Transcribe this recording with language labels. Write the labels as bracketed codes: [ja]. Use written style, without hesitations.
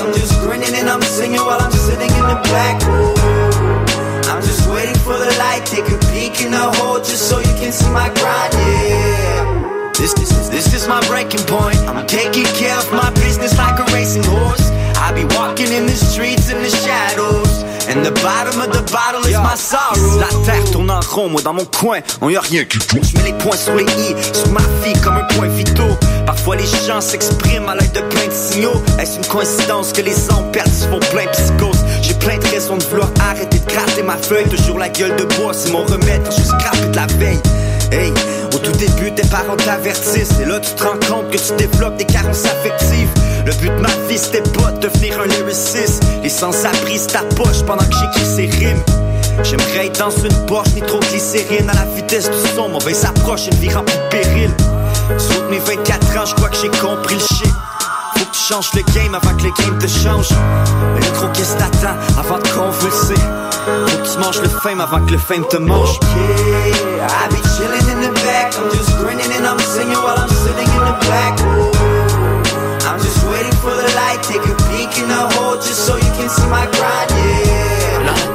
[en] I'm just grinning and I'm singing while I'm sitting in the back. Ooh, I'm just waiting for the light. Take a peek in the hole just so you can see my grind, yeah. This is my breaking point. I'm taking care of my business like a racing horse. I be walking in the streets in the shadows. And the bottom of the bottle is my sorrow. [fr] La terre tourne en rond, moi dans mon coin, on y a rien qui bouge. Je mets les points sur les i, sur ma fille comme un point vitaux. Parfois les gens s'expriment à l'aide de plein de signaux. Est-ce une coïncidence que les hommes perdent sur plein psychose? J'ai plein de raisons de vouloir arrêter de gratter ma feuille. Toujours la gueule de bois, c'est mon remède quand je scrape de la veille. Hey, au tout début tes parents t'avertissent. Et là tu te rends compte que tu développes des carences affectives. Le but de ma vie c'était pas de devenir un lyriciste. Les sans-abri c'est ta poche pendant que j'écris ces rimes. J'aimerais être dans une Porsche nitroglycérine. À la vitesse du son, mauvaise approche, une vie remplie de périls. Sous mes 24 ans, je crois que j'ai compris le shit. Faut que tu changes le game avant que le game te change. Mais le gros qu'est-ce t'attend avant de convulser. Faut que tu manges le fame avant que le fame te mange. [en] Okay, I be chilling in the back. I'm just grinning and I'm singing while I'm sitting in the back. I'm just waiting for the light. Take a peek in the hole just so you can see my grind, yeah.